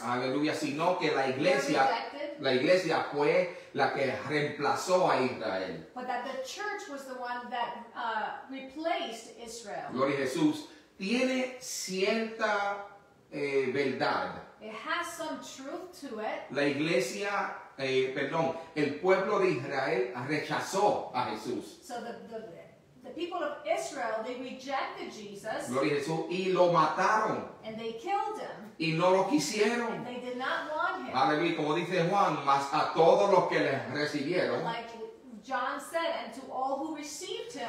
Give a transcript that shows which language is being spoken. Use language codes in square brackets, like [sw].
[es] Aleluya, sino que la iglesia fue la que reemplazó a Israel. [en] But that the church was the one that replaced Israel. [es] Gloria a Jesús. Tiene cierta verdad. [en] It has some truth to it. [es] La iglesia, el pueblo de Israel rechazó a Jesús. [en] So the people of Israel, they rejected Jesus. [es] Gloria a Jesús, y lo mataron. [en] And they killed him. [es] Y no lo quisieron. [en] And they did not want him. [es] Aleluya, como dice Juan, mas a todos los que le recibieron. [en] Like John said, and to all who received him.